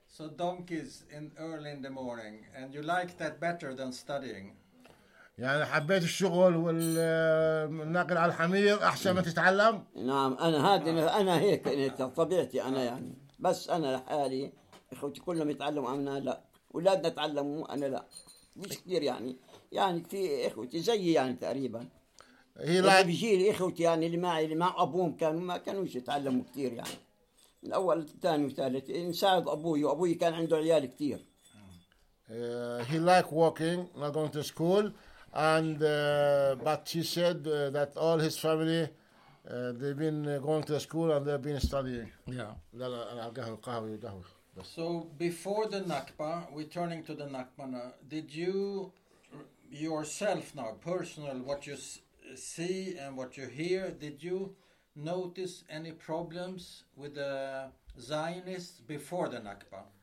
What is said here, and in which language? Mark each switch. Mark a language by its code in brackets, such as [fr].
[en] So donkeys in early in the morning, and you like that better than studying. [ar] يعني حبيت الشغل والنقل على الحمير أحسن ما تتعلم. نعم أنا هادي أنا هيك طبيعتي أنا يعني بس أنا لحالي إخوتي كلهم يتعلموا أنا لا أولادنا تعلموا أنا لا مش كثير يعني في إخوتي زي يعني تقريبا. هي لا بجيل إخوتي يعني اللي مع أبوهم كانوا ما كانواش يتعلموا كثير يعني. الأول الثاني والثالث نساعد أبوي وأبوي كان عنده عيال كتير. [en] He liked walking, not going to school, and but he said that all his family they've been going to school and they've been studying. Yeah. [ar] القهوة. [en] So before the Nakba, returning to the Nakba, did you yourself now, personal, what you see and what you hear, did you notice any problems with the Zionists before the Nakba?